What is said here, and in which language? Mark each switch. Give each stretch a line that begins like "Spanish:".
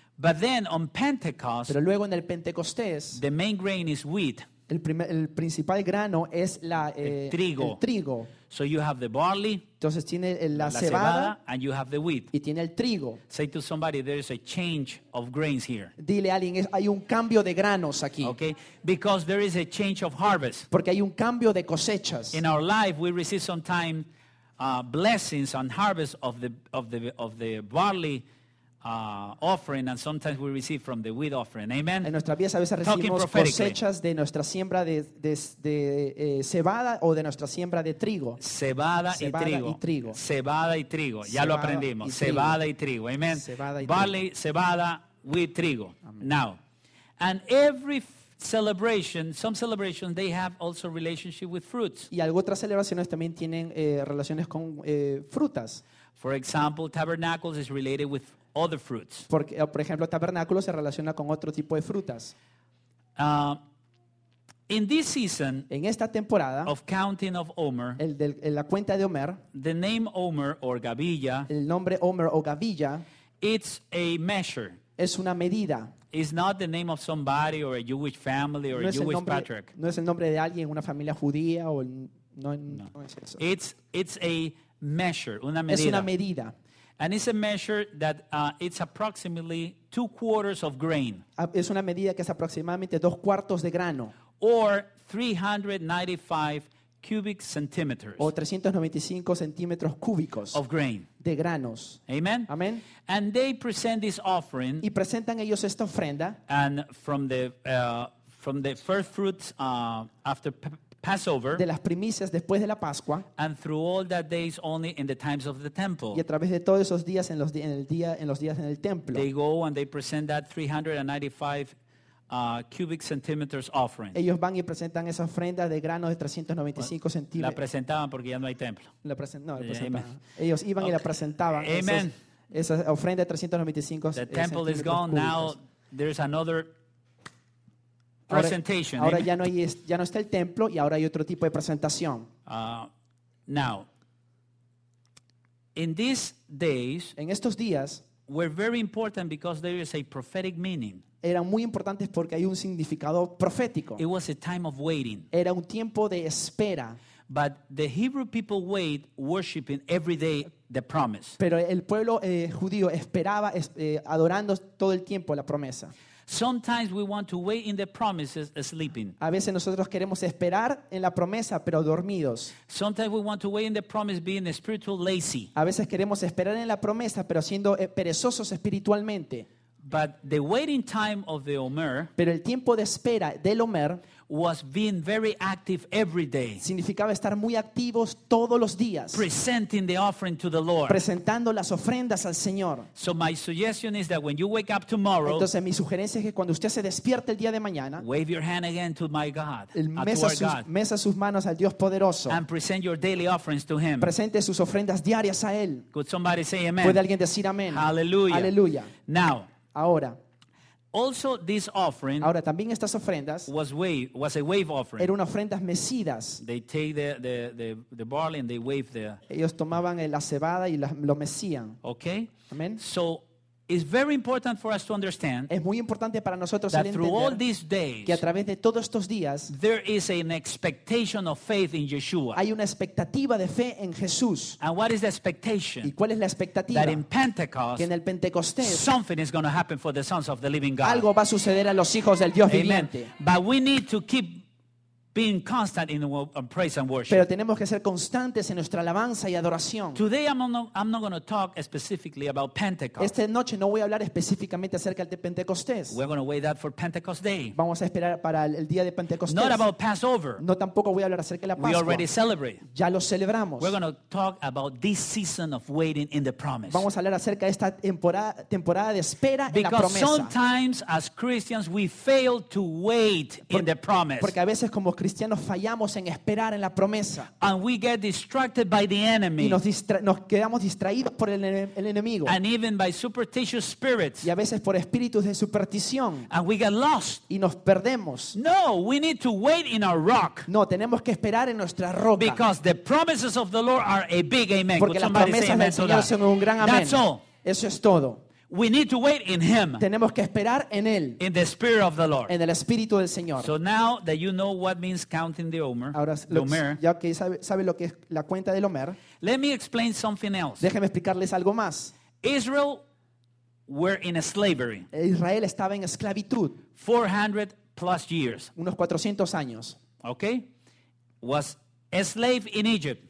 English: But then on Pentecost,
Spanish: pero luego en el Pentecostés,
English: the main grain is wheat.
Spanish: El principal grano es el trigo.
English: So you have the barley.
Spanish: Entonces tiene la cebada,
English: and you have the wheat.
Spanish: Y tiene el trigo.
English: Say to somebody there is a change of grains here.
Spanish: Dile a alguien, hay un cambio de granos aquí.
English: Okay? Because there is a change of harvest.
Spanish: Porque hay un cambio de cosechas.
English: In our life we receive sometimes blessings on harvest of the barley offering, and sometimes we receive from the wheat offering. Amen.
Spanish: En nuestra vida a veces recibimos cosechas de nuestra siembra de cebada o de nuestra siembra de trigo. Cebada y trigo. Cebada y trigo. Ya cebada lo aprendimos. Y cebada y trigo. Amen. Cebada y
English: barley,
Spanish: trigo. Cebada, wheat, trigo. Amen.
English: Now, and every celebration, some celebrations they have also relationship with fruits.
Spanish: Y algunas otras celebraciones también tienen relaciones con frutas.
English: For example, tabernacles is related with other fruits.
Spanish: Porque, por ejemplo, tabernáculo se relaciona con otro tipo de frutas.
English: In this season,
Spanish: en esta temporada,
English: of counting of Omer,
Spanish: en la cuenta de Omer,
English: the name Omer or Gavilla,
Spanish: el nombre Omer o Gavilla,
English: it's a measure.
Spanish: Es una medida.
English: It's not the name of somebody or a Jewish family or
Spanish: no
English: a Jewish patriarch.
Spanish: No es el nombre de alguien, una familia judía o no es eso.
English: It's a measure,
Spanish: una medida. Es una medida.
English: And it's a measure that it's approximately 2/4 of grain.
Spanish: Es una medida que es aproximadamente 2/4 de grano.
English: Or 395 cubic centimeters.
Spanish: O 395 centímetros cúbicos.
English: Of grain.
Spanish: De granos.
English: Amen. Amen. And they present this offering.
Spanish: Y presentan ellos esta ofrenda.
English: And from the first fruits after Passover,
Spanish: de las primicias después de la Pascua,
English: and through all that days only in the times of the temple,
Spanish: y a través de todos esos días en los días en el templo,
English: they go and they present that 395 cubic centimeters offering.
Spanish: Ellos van y presentan esa ofrenda de granos de 395 centímetros. La presentaban porque ya no hay templo. Ellos iban y la presentaban. Amen. Esa ofrenda de 395
English: centímetros. The temple is gone
Spanish: cúbicos.
English: Now. There's another. Presentation.
Spanish: Ahora ya no está el templo y ahora hay otro tipo de presentación.
English: Now, in these days,
Spanish: en estos días,
English: were very important because there is a prophetic meaning.
Spanish: Eran muy importantes porque hay un significado profético.
English: It was a time of waiting.
Spanish: Era un tiempo de espera.
English: But the Hebrew people wait, worshiping every day the promise.
Spanish: Pero el pueblo judío esperaba adorando todo el tiempo la promesa.
English: Sometimes we want to wait in the promises sleeping.
Spanish: A veces nosotros queremos esperar en la promesa pero dormidos.
English: Sometimes we want to wait in the promise being spiritual lazy.
Spanish: A veces queremos esperar en la promesa pero siendo perezosos espiritualmente.
English: But the waiting time of the Omer,
Spanish: pero el tiempo de espera del Omer,
English: was being very active every day.
Spanish: Significaba estar muy activos todos los días.
English: Presenting the offering to the Lord.
Spanish: Presentando las ofrendas al Señor.
English: So my suggestion is that when you wake up tomorrow,
Spanish: entonces mi sugerencia es que cuando usted se despierte el día de mañana,
English: wave your hand again to my God,
Spanish: mesa sus manos al Dios poderoso,
English: and present your daily offerings to Him.
Spanish: Presente sus ofrendas diarias a él.
English: Could somebody say amen?
Spanish: ¿Puede alguien decir amén?
English: Hallelujah.
Spanish: Hallelujah.
English: Now,
Spanish: ahora.
English: Also, this offering,
Spanish: ahora también estas ofrendas,
English: was a wave offering.
Spanish: Eran ofrendas mecidas.
English: They take the barley and they wave there.
Spanish: Ellos tomaban la cebada y lo mecían.
English: Okay.
Spanish: Amen.
English: So it's very important for us to understand.
Spanish: Es muy importante para nosotros
English: that through all these days,
Spanish: que a través de todos estos días,
English: there is an expectation of faith in Yeshua.
Spanish: Hay una expectativa de fe en Jesús.
English: And what is the expectation?
Spanish: ¿Y cuál es la expectativa?
English: That in Pentecost,
Spanish: que en el Pentecostés,
English: something is going to happen for the sons of the living God.
Spanish: Algo va a suceder a los hijos del Dios viviente.
English: But we need to keep being constant in praise and worship.
Spanish: Pero tenemos que ser constantes en nuestra alabanza y adoración.
English: Today I'm not going to talk specifically about Pentecost.
Spanish: Esta noche no voy a hablar específicamente acerca del Pentecostés.
English: We're going to wait that for Pentecost Day.
Spanish: Vamos a esperar para el día de Pentecostés.
English: Not about Passover.
Spanish: No tampoco voy a hablar acerca de la Pascua.
English: We already celebrate.
Spanish: Ya lo celebramos.
English: We're going to talk about this season of waiting in the promise.
Spanish: Vamos a hablar acerca de esta temporada de espera en la promesa.
English: Because sometimes as Christians we fail to wait in the promise.
Spanish: Porque a veces como cristianos fallamos en esperar en la promesa.
English: And we get distracted by the enemy.
Spanish: Y nos quedamos distraídos por el enemigo.
English: And even by superstitious spirits.
Spanish: Y a veces por espíritus de superstición.
English: And we get lost.
Spanish: Y nos perdemos.
English: No, we need to wait in our rock.
Spanish: No, tenemos que esperar en nuestra roca.
English: Because the promises of the Lord are a big amen.
Spanish: Porque las promesas del Señor son un gran amén.
English: That's all.
Spanish: Eso es todo.
English: We need to wait in Him.
Spanish: Tenemos que esperar en él.
English: In the Spirit of the Lord.
Spanish: En el Espíritu del Señor.
English: So now that you know what means counting the Omer.
Spanish: Ahora
English: the Omer,
Spanish: ya que sabe lo que es la cuenta del Omer.
English: Let me explain something else.
Spanish: Déjeme explicarles algo más.
English: Israel were in a slavery.
Spanish: Israel estaba en esclavitud.
English: 400 plus years.
Spanish: Unos 400 años.
English: Okay. Was a slave in Egypt.